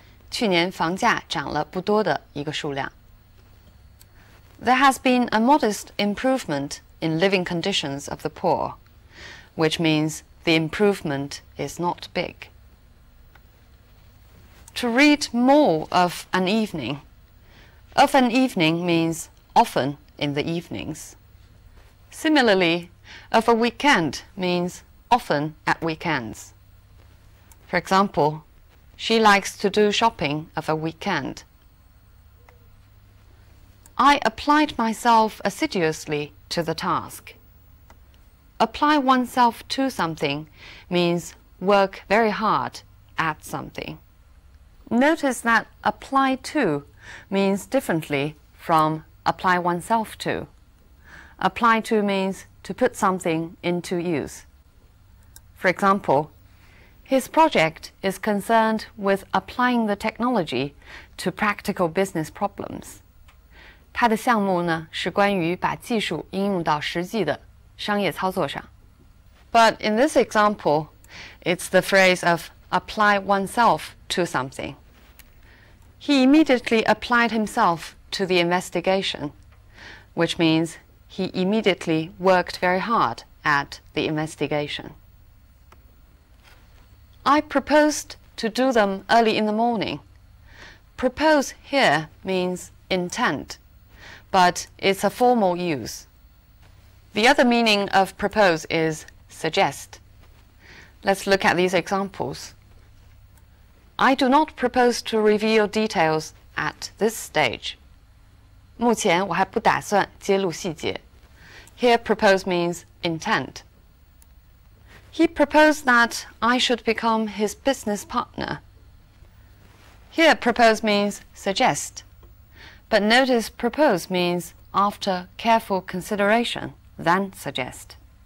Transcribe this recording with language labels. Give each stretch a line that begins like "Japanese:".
Chinese: 去年房价涨了不多的一个数量。
English: There has been a modest improvement in living conditions of the poor, which means the improvement is not big. To read more of an evening. Of an evening means often in the evenings. Similarly, of a weekend means often at weekends. For example,She likes to do shopping of a weekend. I applied myself assiduously to the task. Apply oneself to something means work very hard at something. Notice that apply to means differently from apply oneself to. Apply to means to put something into use. For example,His project is concerned with applying the technology to practical business problems.
Chinese: 他的项目呢是关于把技术应用到实际的商业操作上。
English: But in this example, it's the phrase of apply oneself to something. He immediately applied himself to the investigation, which means he immediately worked very hard at the investigation. I proposed to do them early in the morning. Propose here means intent, but it's a formal use. The other meaning of propose is suggest. Let's look at these examples. I do not propose to reveal details at this stage.
Chinese: 目前我还不打算揭露细节。
English: Here propose means intent. He proposed that I should become his business partner. Here, propose means suggest. But notice propose means after careful consideration, then suggest.